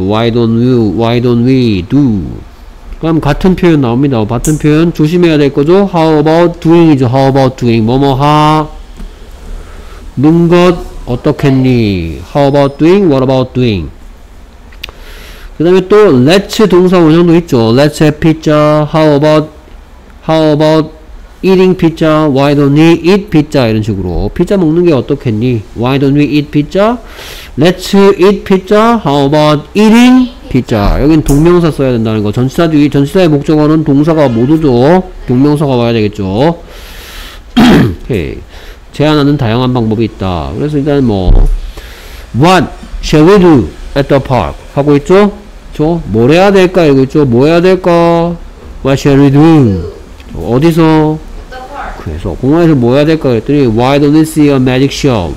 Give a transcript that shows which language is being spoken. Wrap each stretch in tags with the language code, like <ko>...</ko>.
<en>그 why don't you, why don't we do.</en> <ko>그럼 같은 표현 나옵니다. 같은 표현 조심해야 될 거죠.</ko> <en>How about doing이죠. How about doing</en> <ko>뭐뭐 하는 것 어떻겠니.</ko> <en>How about doing, what about doing.</en> <ko>그 다음에 또</ko> <en>let's</en> <ko>동사 원형도 있죠.</ko> <en>Let's have pizza. How about eating pizza? Why don't we eat pizza?</en> <ko>이런 식으로 피자 먹는 게 어떻겠니?</ko> <en>Why don't we eat pizza? Let's eat pizza. How about eating pizza?</en> <ko>여긴 동명사 써야 된다는 거. 전치사 뒤 전치사의 목적어는 동사가 모두죠. 동명사가 와야 되겠죠. 오케이. 제안하는 다양한 방법이 있다. 그래서 일단 뭐</ko> <en>what shall we do at the park?</en> <ko>하고 있죠? 그쵸? 뭘 해야 될까? 이거 있죠? 뭐 해야 될까?</ko> <en>What shall we do?</en> <ko>그쵸? 어디서?</ko> <en>At the park.</en> <ko>그래서 공원에서 뭐 해야 될까? 그랬더니</ko> <en>Why don't you see a magic show?</en>